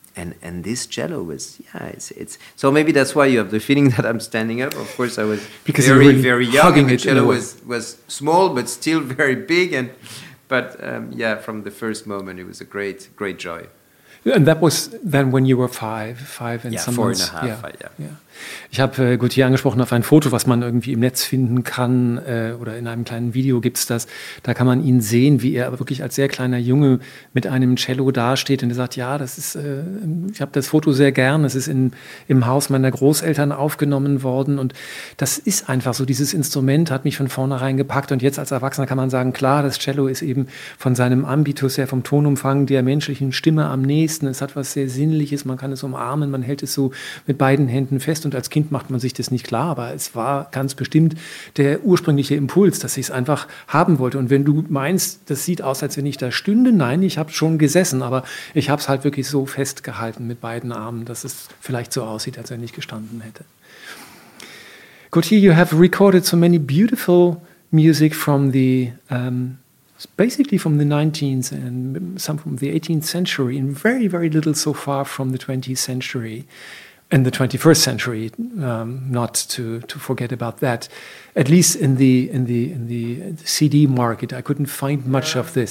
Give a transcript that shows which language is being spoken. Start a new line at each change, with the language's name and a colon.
English: And this cello was, yeah, it's so maybe that's why you have the feeling that I'm standing up. Of course, I was because very, really very young. And the cello was small, but still very big. But from the first moment, it was a great, great joy. And that was then when you were five and some months. Yeah, 4.5, yeah.
German: Ich habe Gautier angesprochen auf ein Foto, was man irgendwie im Netz finden kann, oder in einem kleinen Video gibt es das. Da kann man ihn sehen, wie er wirklich als sehr kleiner Junge mit einem Cello dasteht. Und er sagt, ja, das ist. Ich habe das Foto sehr gern. Es ist im Haus meiner Großeltern aufgenommen worden. Und das ist einfach so, dieses Instrument hat mich von vornherein gepackt. Und jetzt als Erwachsener kann man sagen, klar, das Cello ist eben von seinem Ambitus her, vom Tonumfang der menschlichen Stimme am nächsten. Es hat was sehr Sinnliches, man kann es umarmen, man hält es so mit beiden Händen fest. Und als Kind macht man sich das nicht klar, aber es war ganz bestimmt der ursprüngliche Impuls, dass ich es einfach haben wollte. Und wenn du meinst, das sieht aus, als wenn ich da stünde, nein, ich habe schon gesessen, aber ich habe es halt wirklich so festgehalten mit beiden Armen, dass es vielleicht so aussieht, als wenn ich gestanden hätte.
English: Gautier, you have recorded so many beautiful music from the... basically from the 19th and some from the 18th century and very, very little so far from the 20th century. In the 21st century, not to forget about that, at least in the CD market, I couldn't find much of this.